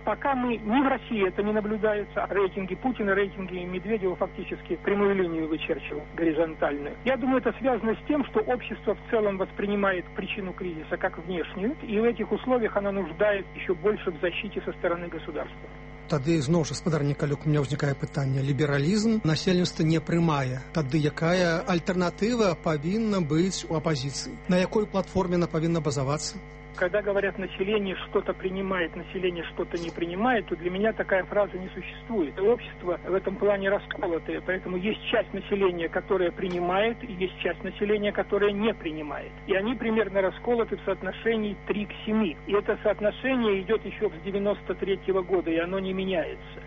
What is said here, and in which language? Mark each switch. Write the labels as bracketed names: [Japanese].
[Russian] Пока мы ни в России это не наблюдается, рейтинги Путина, рейтинги Медведева фактически прямую линию вычерчивал, горизонтальную. Я думаю, это связано с тем, что общество в целом воспринимает причину кризиса как внешнюю, и в этих условиях она нуждает еще больше в защите со стороны государства. [Belarusian] Тады зноў жа, спадар Нікалюк, [Russian] у меня [Belarusian] ўзнікае пытанне. Лібералізм насельніцтва не прымае. Тады якая альтэрнатыва павінна быць у апазіцыі? На якой платформе яна павінна базавацца? [Russian] Когда говорят, население что-то принимает, население что-то не принимает, то для меня такая фраза не существует. Общество в этом плане расколотое, поэтому есть часть населения, которая принимает, и есть часть населения, которая не принимает. И они примерно расколоты в соотношении 3 к 7. И это соотношение идет еще с 93-го года, и оно не меняется.